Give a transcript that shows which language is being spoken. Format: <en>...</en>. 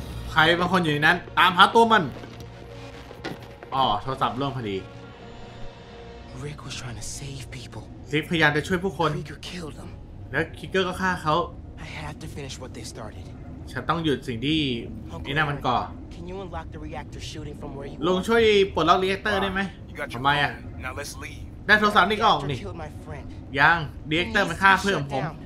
<th>ใครบางคนอยู่ในนั้นตามหาตัวมันอ๋อโทรศัพท์ล่มพอดี</th> <en>Rick was trying to save people.</en> <th>ลิกพยายามจะช่วยผู้คน</th> <en>Rick killed them.</en> <th>แล้วคิกเกอร์ก็ฆ่าเขา</th> <en>I have to finish what they started.</en> <th>ฉันต้องหยุดสิ่งที่ไอ้นั่นมันก่อ</th> <en>Can you unlock the reactor shooting from where you</en> <th>ลงช่วยปลดล็อกรีแอคเตอร์ได้ไหมทำไมอ่ะ</th> <en>Now let's leave.</en> <th>ได้โทรศัพท์นี่ก็ออกนี่ยังรีแอคเตอร์มันฆ่าเพื่อนผม</th>